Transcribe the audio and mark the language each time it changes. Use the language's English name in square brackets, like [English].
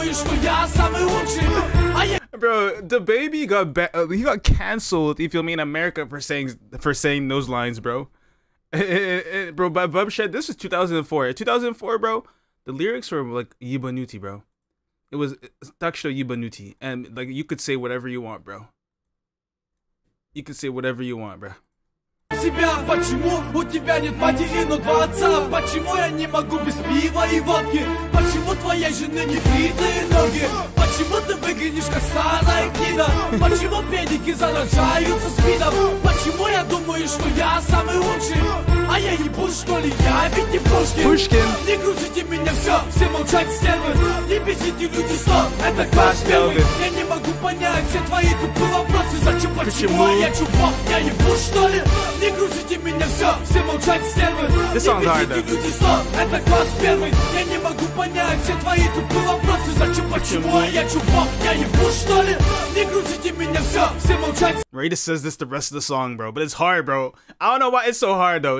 [English] Bro, the baby got he got canceled, you feel me, in America for saying those lines, bro. Bro, by Bub Shed, this is 2004, bro. The lyrics were like Yibanuti, bro. It was Takshita Yibanuti, and like you could say whatever you want, bro. You can say whatever you want, bro. [Russian] Себя, почему у тебя нет матери, но два отца? Почему я не могу без пива и водки? Почему твоей жены не бритые ноги? Почему ты выглядишь как старая книга? Почему педики заражаются спидом? Почему я думаю, что я самый лучший? А я не буду, что ли, я ведь не Пушкин. Пушкин. Не грузите меня, все, все молчат, стервы. Не бесите люди, что это класс первый. Я не могу понять все твои тупые вопросы. Зачем, почему я чувак, я не буду, что ли? Не грузите меня, все, все молчат, стервы. Не бесите люди, что это класс первый. Я не могу понять все твои тупые вопросы. Зачем, почему я чувак, я не буду, что ли? Не грузите меня, все, все молчат. [English] Raida says this the rest of the song, bro, but it's hard, bro. I don't know why it's so hard, though.